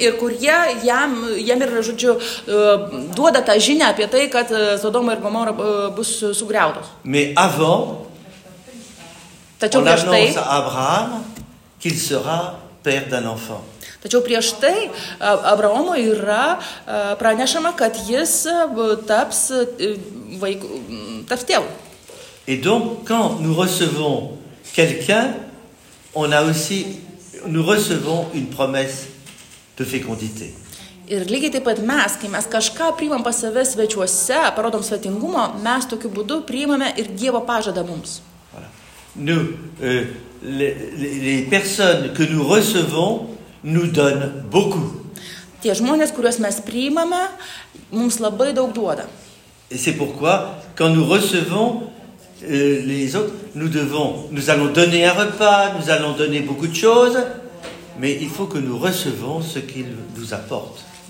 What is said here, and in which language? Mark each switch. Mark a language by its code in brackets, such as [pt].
[lt] Ir kurie jam ir, žodžiu, duoda tą žinią apie tai, kad Sodoma ir Gomorra bus sugriautos. [fr] Mais avant, [lt] tačiau [fr] on annonce tai, à Abraham qu'il sera père d'un enfant. [lt] Tačiau prieš tai Abraomo yra pranešama, kad jis taps vaikų, taps tėvų. [fr] Et donc, quand nous recevons quelqu'un, on a aussi, nous recevons une promesse de fécondité. [lt] Ir lygiai taip pat mes, kai mes kažką priimam pas save svečiuose, parodom svetingumą, mes tokiu būdu priimame ir Dievo pažadą mums. [fr] Nous, les personnes que nous recevons nous donnent beaucoup. [lt] Tie žmonės, kuriuos mes priimame, mums labai daug duoda. [fr] Et c'est pourquoi, quand nous recevons les autres, nous allons donner un repas, nous allons donner beaucoup de choses, mais il faut que nous recevons ce qu'ils nous apportent.